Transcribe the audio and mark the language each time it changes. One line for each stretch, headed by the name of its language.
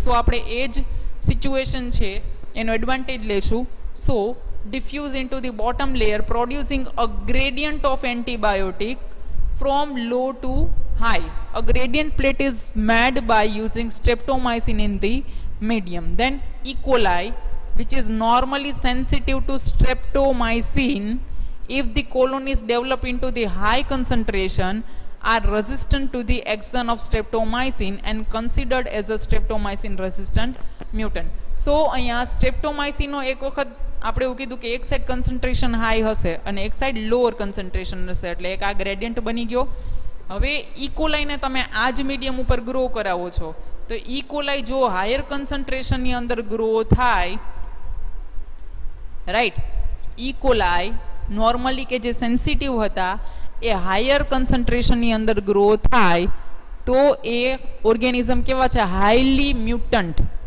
Gujarati: સો આપણે એ જ સિચ્યુએશન છે એનો એડવાન્ટેજ લેશું.
English: So diffuse into the bottom layer producing a gradient of antibiotic from low to high. A gradient plate is made by using streptomycin in the medium. Then E coli which is normally sensitive to streptomycin, if the colonies develop into the high concentration, are resistant to the action of streptomycin and considered as a streptomycin resistant mutant.
Gujarati: So, અહીંયા સ્ટ્રેપ્ટોમાઇસિન નો એક વખત આપણે એવું કીધું કે એક side concentration high હશે અને એક સાઈડ લોઅર કન્સન્ટ્રેશન હશે, એટલે એક આ ગ્રેડિયન્ટ બની ગયો. હવે ઇકોલાઈને તમે આ જ મીડિયમ ઉપર ગ્રો કરાવો છો, तो इकोलाई जो हायर कंसंट्रेशन नी अंदर ग्रो थाय राइट इकोलाई नॉर्मली के जे सेंसिटिव हता ए हायर कंसंट्रेशन नी अंदर ग्रो थाय तो ए ऑर्गेनिज्म केवा छे हाईली म्यूटंट